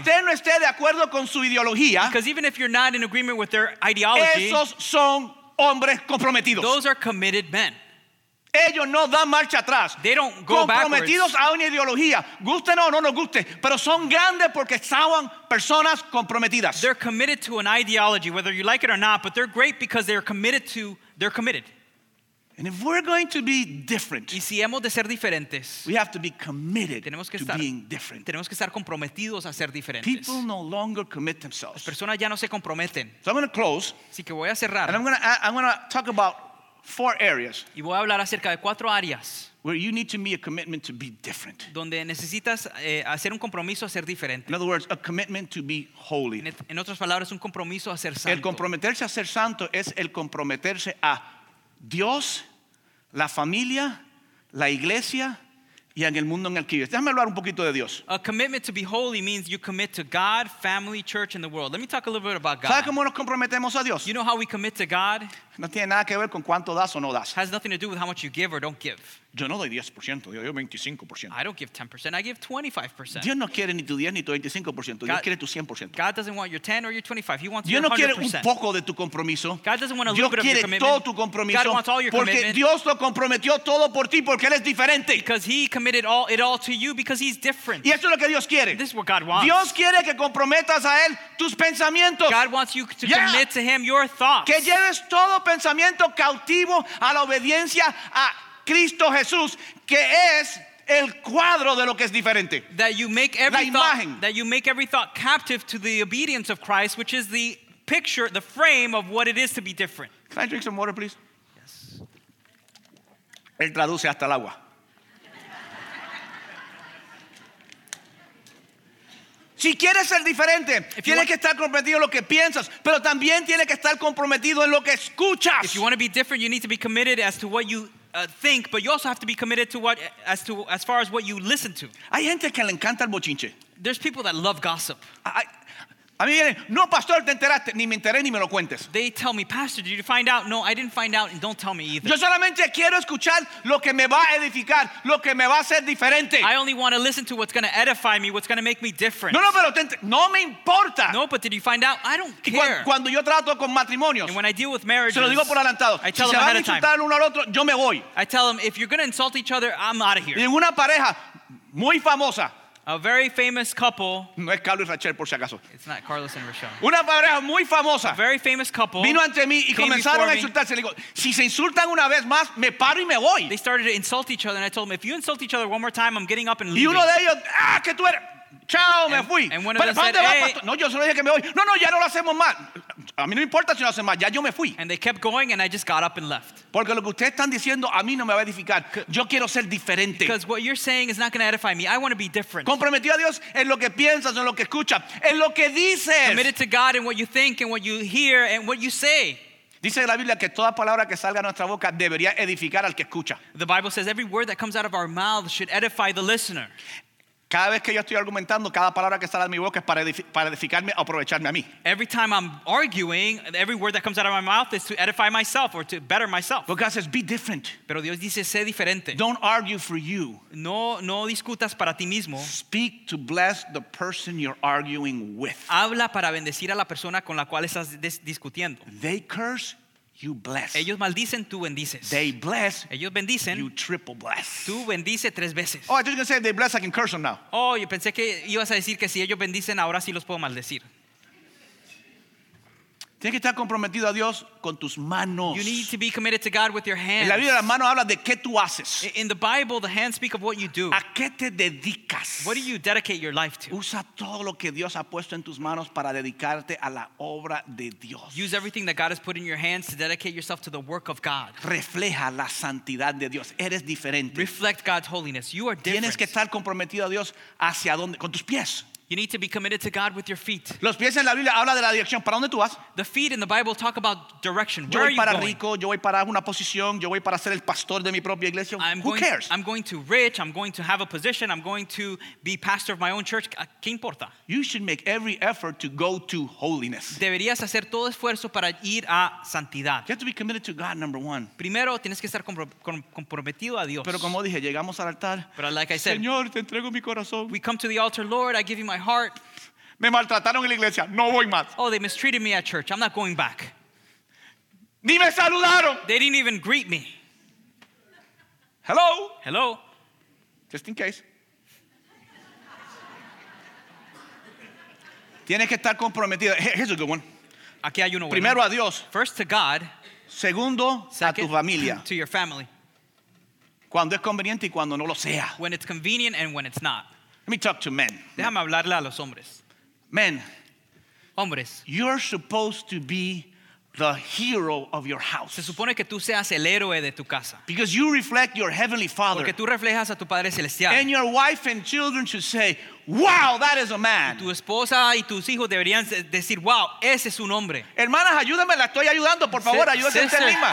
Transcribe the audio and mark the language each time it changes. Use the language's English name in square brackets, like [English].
[Spanish] Porque usted no esté de acuerdo con su ideología. [English] Because even if you're not in agreement with their ideology. [Spanish] Esos son hombres comprometidos. [English] Those are committed men. [Spanish] Ellos no dan marcha atrás. [English] They don't go backwards. [Spanish] Comprometidos a una ideología. Guste o no nos guste. Pero son grandes porque estaban personas comprometidas. [English] They're committed to an ideology, whether you like it or not. But they're great because they're committed. And if we're going to be different. [Spanish] Y si hemos de ser diferentes. [English] We have to be committed [Spanish] tenemos que estar, [English] to being different. [Spanish] Tenemos que estar comprometidos a ser diferentes. [English] People no longer commit themselves. [Spanish] Las personas ya no se comprometen. [English] So I'm going to close. [Spanish] Así que voy a cerrar. [English] And I'm going to talk about four areas. [Spanish] Y voy a hablar acerca de cuatro áreas. [English] Where you need to make a commitment to be different. [Spanish] Donde necesitas hacer un compromiso a ser diferente. [English] In other words, a commitment to be holy. [Spanish] En otras palabras, un compromiso a ser santo. El comprometerse a ser santo es el comprometerse a Dios, la familia, la iglesia y en el mundo en el que vives. Déjame hablar un poquito de Dios. [English] A commitment to be holy means you commit to God, family, church, and the world. Let me talk a little bit about God. [Spanish] ¿Sabes cómo nos comprometemos a Dios? [English] You know how we commit to God? [Spanish] No tiene nada que ver con cuánto das o no das. [English] Has nothing to do with how much you give or don't give. [Spanish] Yo no doy 10%, yo doy 25%. [English] I don't give 10%, I give 25%. [Spanish] Dios no quiere ni tu 10 ni tu 25%, Dios quiere tu 100%. [English] God doesn't want your 10 or your 25, he wants [Spanish] Dios no [English] 100%. [Spanish] Quiere un poco de tu compromiso. [English] God doesn't want a [Spanish] Dios [English] little bit [Spanish] quiere [English] of your [Spanish] todo tu compromiso. [English] God wants all your [Spanish] porque [English] commitment. [Spanish] Dios lo comprometió todo por ti porque él es diferente. [English] Because he committed it all to you because he's different. [Spanish] Y eso es lo que Dios quiere. [English] This is what God wants. [Spanish] Dios quiere que comprometas a él tus pensamientos. [English] God wants you to commit to him your thoughts. [Spanish] Que lleves todo pensamiento cautivo a la obediencia a Cristo Jesús, que es el cuadro de lo que es diferente. [English] That you make every [Spanish] la imagen. [English] Thought, that you make every thought captive to the obedience of Christ, which is the picture, the frame of what it is to be different. Can I drink some water, please? Yes. [Spanish] Él traduce hasta el agua. Si quieres ser diferente, tienes que estar comprometido en lo que piensas, pero también tienes que estar comprometido en lo que escuchas. [English] If you want to be different, you need to be committed as to what you think, but you also have to be committed to what, as far as what you listen to. [Spanish] Hay gente que le encanta el bochinche. [English] There's people that love gossip. [Spanish] A mí vienen, no, pastor, te enteraste, ni me enteré, ni me lo cuentes. [English] They tell me, pastor, did you find out? No, I didn't find out, and don't tell me either. [Spanish] Yo solamente quiero escuchar lo que me va a edificar, lo que me va a hacer diferente. [English] I only want to listen to what's going to edify me, what's going to make me different. [Spanish] No, pero no me importa. [English] No, but did you find out? I don't care. [Spanish] Cuando yo trato con matrimonios, [English] and when I deal with marriages, [Spanish] se lo digo por adelantado, [English] I tell [Spanish] si [English] them [Spanish] se [English] ahead [Spanish] van a insultar [English] time, [Spanish] uno al otro, yo me voy. [English] I tell them, if you're going to insult each other, I'm out of here. [Spanish] Y en una pareja muy famosa, [English] a very famous couple. [Spanish] No es Carlos y Rachel, por si acaso. [English] It's not Carlos and Rachel. [Spanish] Una pareja muy famosa. [English] A very famous couple. [Spanish] Vino ante mí y comenzaron a insultarse. Le digo, si se insultan una vez más, me paro y me voy. [English] They started to insult each other, and I told them, if you insult each other one more time, I'm getting up and leaving. [Spanish] Y uno de ellos, ah, que tú eres. Chao, me fui. [English] And one of them said, [Spanish] no, yo solo dije que me voy. No, ya no lo hacemos más. A mí no importa si no hacen más, ya yo me fui. [English] And they kept going and I just got up and left. [Spanish] Porque lo que ustedes están diciendo a mí no me va a edificar. Yo quiero ser diferente. [English] Because what you're saying is not going to edify me. I want to be different. [Spanish] Comprometido a Dios en lo que piensas, en lo que escuchas, en lo que dices. [English] Committed to God in what you think and what you hear and what you say. [Spanish] Dice la Biblia que toda palabra que salga de nuestra boca debería edificar al que escucha. [English] The Bible says every word that comes out of our mouth should edify the listener. [Spanish] Cada vez que yo estoy argumentando, cada palabra que sale de mi boca es para edificarme o aprovecharme a mí. [English] Every time I'm arguing, every word that comes out of my mouth is to edify myself or to better myself. But God says, be different. [Spanish] Pero Dios dice, sé diferente. [English] Don't argue for you. [Spanish] No discutas para ti mismo. [English] Speak to bless the person you're arguing with. [Spanish] Habla para bendecir a la persona con la cual estás discutiendo. [English] They curse, you bless. [Spanish] Ellos maldicen, tú bendices. [English] They bless, [Spanish] ellos bendicen. [English] You triple bless. [Spanish] Tú bendices tres veces. [English] Oh, I thought you were going to say if they bless, I can curse them now. [Spanish] Oh, yo pensé que ibas a decir que si ellos bendicen, ahora sí los puedo maldecir. Tienes que estar comprometido a Dios con tus manos. [English] You need to be committed to God with your hands. [Spanish] En la Biblia, la mano habla de qué tú haces. [English] In the Bible, the hands speak of what you do. [Spanish] ¿A qué te dedicas? [English] What do you dedicate your life to? [Spanish] Usa todo lo que Dios ha puesto en tus manos para dedicarte a la obra de Dios. [English] Use everything that God has put in your hands to dedicate yourself to the work of God. [Spanish] Refleja la santidad de Dios. Eres diferente. [English] Reflect God's holiness. You are different. [Spanish] Tienes que estar comprometido a Dios hacia dónde, con tus pies. [English] You need to be committed to God with your feet. [Spanish] Los pies en la Biblia habla de la dirección. ¿Para dónde tú vas? [English] The feet in the Bible talk about direction. [Spanish] Yo voy para rico, yo voy para una posición, yo voy para ser el pastor de mi propia iglesia. [English] Who cares? I'm going to rich, I'm going to have a position, I'm going to be pastor of my own church. [Spanish] ¿Qué importa? [English] You should make every effort to go to holiness. [Spanish] Deberías hacer todo esfuerzo para ir a santidad. [English] You have to be committed to God, number one. [Spanish] Primero, tienes que estar comprometido a Dios. Pero como dije, llegamos al altar. [English] But like I said, [Spanish] Señor, te entrego mi corazón. [English] We come to the altar, Lord, I give you my heart. [Spanish] Me maltrataron en la iglesia. No voy más. [English] Oh, they mistreated me at church. I'm not going back. [Spanish] Ni me saludaron. [English] They didn't even greet me. Hello. Hello. Just in case. [Spanish] Tienes que estar comprometido. [English] Here's a good one. [Spanish] Aquí hay uno bueno. Primero a Dios. [English] First to God. [Spanish] Segundo a tu familia. [English] To your family. [Spanish] Cuando es conveniente y cuando no lo sea. [English] When it's convenient and when it's not. Let me talk to men. [Spanish] Déjame hablarle a los hombres. [English] Men. [Spanish] Hombres. [English] You're supposed to be the hero of your house. [Spanish] Se supone que tú seas el héroe de tu casa. [English] Because you reflect your heavenly father. [Spanish] Porque tú reflejas a tu padre celestial. [English] And your wife and children should say, wow, that is a man. [Spanish] Tu esposa y tus hijos deberían decir, wow, ese es un hombre. Hermanas, ayúdame, la estoy ayudando, por favor, ayúdate en Lima.